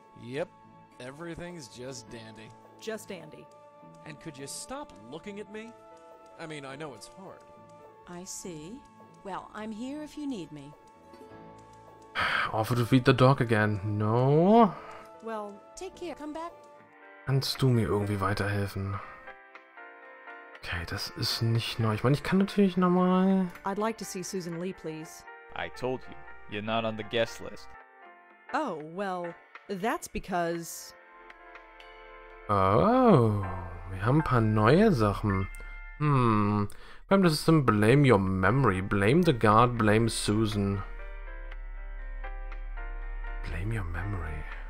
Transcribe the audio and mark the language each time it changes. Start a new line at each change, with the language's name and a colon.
English: Yep, everything's just dandy. Just dandy. And could you stop looking at me? I mean, I know it's hard. I see. Well, I'm here if you need me. Offer to feed the dog again. No. Well, take care. Come back.
German: Kannst du mir irgendwie weiterhelfen? Okay, das ist nicht neu. Ich meine, ich kann natürlich nochmal...
English: I'd like to see Susan Lee, please. I told you. You're not on the guest list. Oh, well, that's because...
German: Oh, wir haben ein paar neue Sachen.
English: Blame the system, blame your memory. Blame the guard, blame Susan. Blame your memory.